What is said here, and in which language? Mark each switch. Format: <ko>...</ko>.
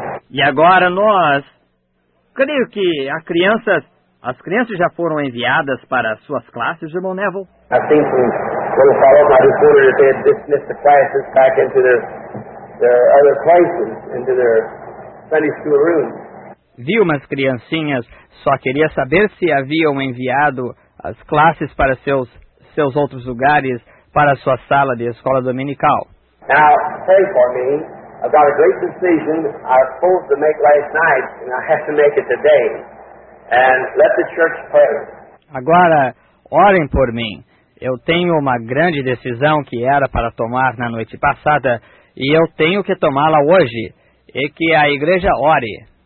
<pt>E agora nós, creio que as crianças já foram enviadas para as suas classes, irmão Neville.</pt> <en>I think we'll follow up on this order that they had dismissed the classes back into their other places, into their Sunday school rooms.</en> <pt>Vi umas criancinhas, só queria saber se haviam enviado as classes para seus outros lugares, para sua sala de escola dominical.</pt> <en>Now, pray for me. I've got a great decision I was supposed to make last night, and I have to make it today. And let the church pray.</en> <pt>Agora, orem por mim. Eu tenho uma grande decisão que era para tomar na noite passada, e eu tenho que tomá-la hoje, e que a igreja ore.</pt>